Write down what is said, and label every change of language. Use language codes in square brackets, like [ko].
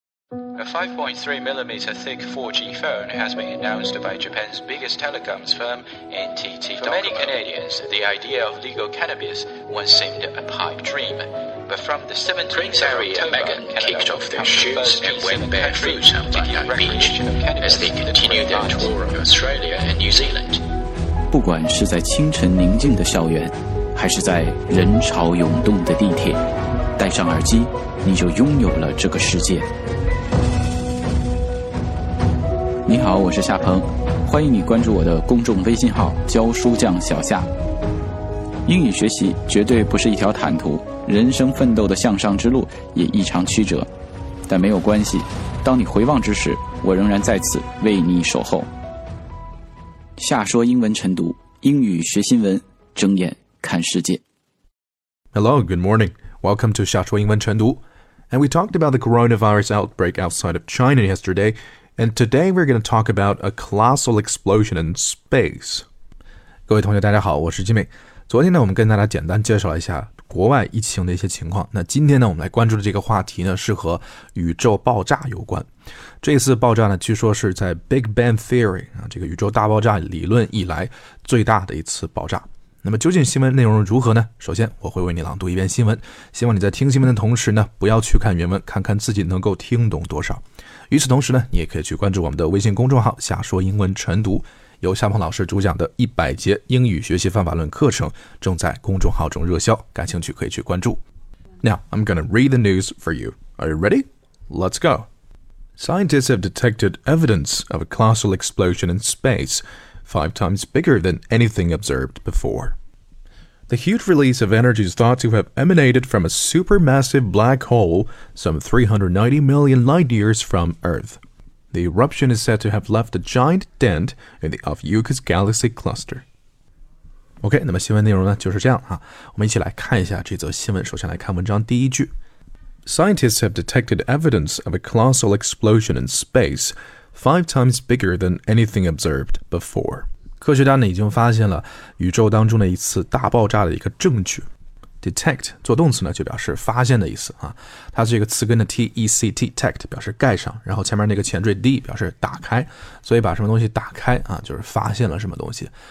[en] A 5.3mm thick 4G phone has been announced by Japan's biggest telecoms firm, NTT Docomo. For many Canadians, the idea of legal cannabis once seemed a pipe dream. But from the 17th of October, Canada kicked off their shoes and went barefoot on the beach as they continued their tour of Australia and New Zealand. [zh] 不管是在清晨宁静的校园，还是在人潮涌动的地铁，戴上耳机，你就拥有了这个世界。你好，我是夏鹏，欢迎你关注我的公众微信号教书匠小夏。英语学习绝对不是一条坦途，人生奋斗的向上之路也异常曲折，但没有关系，当你回望之时，我仍然在此为你守候。夏说英文晨读，英语学新闻，睁眼看世界。 [en] Hello, good morning, welcome to 夏说英文晨读。 And we talked about the coronavirus outbreak outside of China yesterdayAnd today we're going to talk about a colossal explosion in space. [zh] 各位同学大家好，我是 Jimmy。昨天呢，我们跟大家简单介绍一下国外疫情的一些情况。那今天呢，我们来关注的这个话题呢，是和宇宙爆炸有关。这次爆炸呢，据说是在 Big Bang Theory 啊，这个宇宙大爆炸理论以来最大的一次爆炸。那么究竟新闻内容如何呢？首先我会为你朗读一遍新闻，希望你在听新闻的同时呢，不要去看原文，看看自己能够听懂多少。与此同时呢，你也可以去关注我们的微信公众号夏说英文晨读，由夏鹏老师主讲的100节英语学习方法论课程正在公众号中热销，感兴趣可以去关注。 [en] Now I'm gonna read the news for you. Are you ready? Let's go. Scientists have detected evidence of a colossal explosion in space, 5 times bigger than anything observed before. The huge release of energy is thought to have emanated from a supermassive black hole some 390 million light years from Earth. The eruption is said to have left a giant dent in the Ophiuchus galaxy cluster. [zh] OK, 那么新闻内容呢就是这样啊。我们一起来看一下这则新闻，首先来看文章第一句。 [en] Scientists have detected evidence of a colossal explosion in space, 5 times bigger than anything observed before. [zh] 科学家呢已经发现了宇宙当中的一次大爆炸的一个证据。 Detect 做动词呢就表示发现的意思啊，它这个词根的 T-E-C-T detect 表示盖上，然后前面那个前缀 D 表示打开，所以把什么东西打开啊，就是发现了什么东西。